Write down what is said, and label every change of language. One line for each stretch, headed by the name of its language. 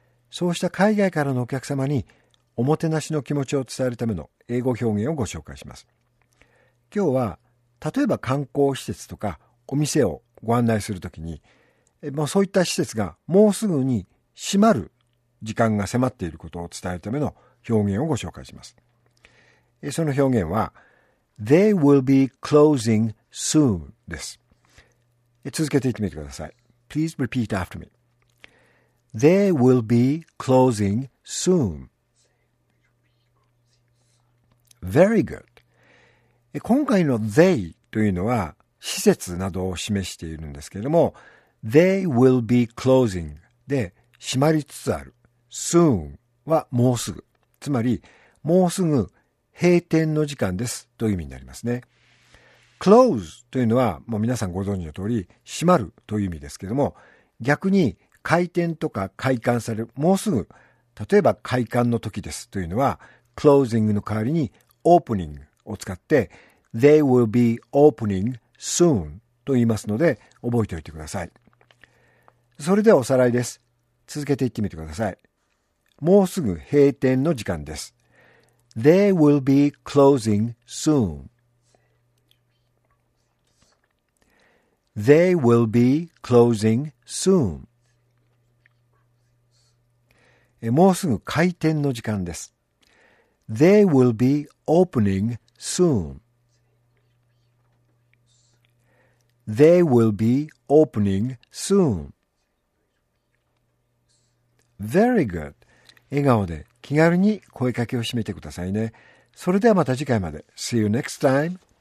Japanese: そうした海外からのお客様におもてなしの気持ちを伝えるための英語表現をご紹介します。今日は例えば観光施設とかお店をご案内するときに、もうそういった施設がもうすぐに閉まる時間が迫っていることを伝えるための表現をご紹介します。その表現は
English: They will be closing soon
Japanese: です。続けて言ってみてください。
English: Please repeat after me. They will be closing soon. Very good.
Japanese: 今回の They というのは施設などを示しているんですけれども
English: They will be closing
Japanese: で閉まりつつある Soon はもうすぐつまりもうすぐ閉店の時間ですという意味になりますね。 close というのはもう皆さんご存知の通り閉まるという意味ですけれども逆に開店とか開館されるもうすぐ例えば開館の時ですというのは closing の代わりに opening を使って
English: they will be opening soon
Japanese: と言いますので覚えておいてください。それではおさらいです。続けて言ってみてください。もうすぐ閉店の時間です。
English: They will be closing soon. They will be closing soon.
Japanese: もうすぐ開店の時間です。
English: They will be opening soon. They will be opening soon. Very good.
Japanese: 笑顔で気軽に声かけを締めてくださいね。それではまた次回まで。
English: See you next time.